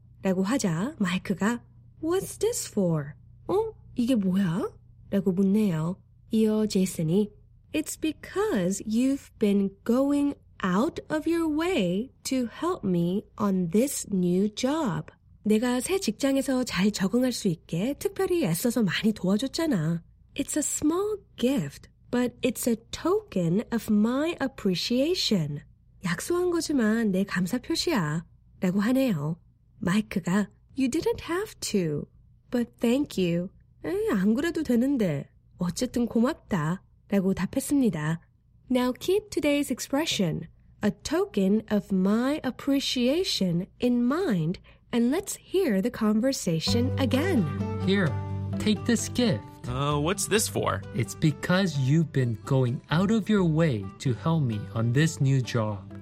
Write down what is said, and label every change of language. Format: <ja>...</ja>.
<ko>라고 하자 마이크가</ko> <en>What's this for?</en> <ko>어? 이게 뭐야? 라고 묻네요. 이어 제이슨이</ko> <en>It's because you've been going out of your way to help me on this new job.</en> <ko>내가 새 직장에서 잘 적응할 수 있게 특별히 애써서 많이 도와줬잖아.</ko> <en>It's a small gift, but it's a token of my appreciation.</en> <ko>약속한 거지만 내 감사 표시야 라고 하네요. 마이크가</ko> <en>You didn't have to, but thank you.</en> <ko>에이, 안 그래도 되는데 어쨌든 고맙다 라고 답했습니다.</ko> <en>Now keep today's expression, a token of my appreciation in mind, and let's hear the conversation again. Here, take this gift. What's this for? It's because you've been going out of your way to help me on this new job.</en>